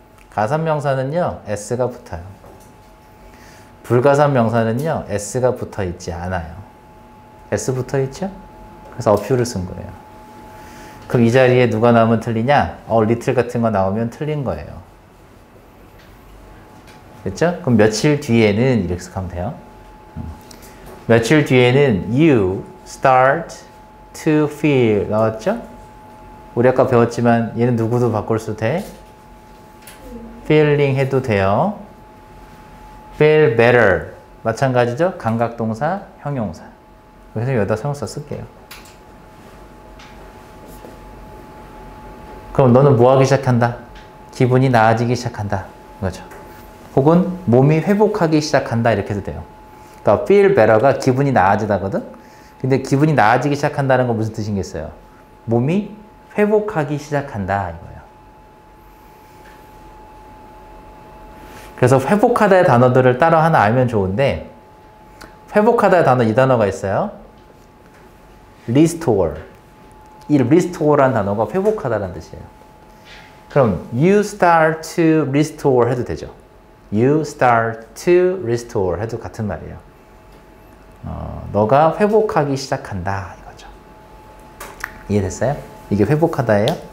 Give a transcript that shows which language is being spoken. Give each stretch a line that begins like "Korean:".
Korean: 가산 명사는요, s가 붙어요. 불가산 명사는요, s가 붙어 있지 않아요. s 붙어 있죠? 그래서 a few를 쓴 거예요. 그럼 이 자리에 누가 나오면 틀리냐? a little 같은 거 나오면 틀린 거예요. 됐죠? 그럼 며칠 뒤에는 이렇게 하면 돼요. 며칠 뒤에는 you start to feel 나왔죠? 우리 아까 배웠지만 얘는 누구도 바꿀 수 돼. feeling 해도 돼요. feel better 마찬가지죠? 감각동사, 형용사. 그래서 여기다 형용사 쓸게요. 그럼 너는 뭐 하기 시작한다? 기분이 나아지기 시작한다. 그렇죠? 혹은 몸이 회복하기 시작한다 이렇게 해도 돼요. 그러니까 feel better가 기분이 나아지다거든? 근데 기분이 나아지기 시작한다는 건 무슨 뜻이겠어요? 몸이 회복하기 시작한다 이거예요. 그래서 회복하다의 단어들을 따로 하나 알면 좋은데 회복하다의 단어 이 단어가 있어요. restore 이 restore라는 단어가 회복하다라는 뜻이에요. 그럼 you start to restore 해도 되죠.
English: You start to restore
Korean: 해도 같은 말이에요. 너가 회복하기 시작한다 이거죠. 이해됐어요? 이게 회복하다예요?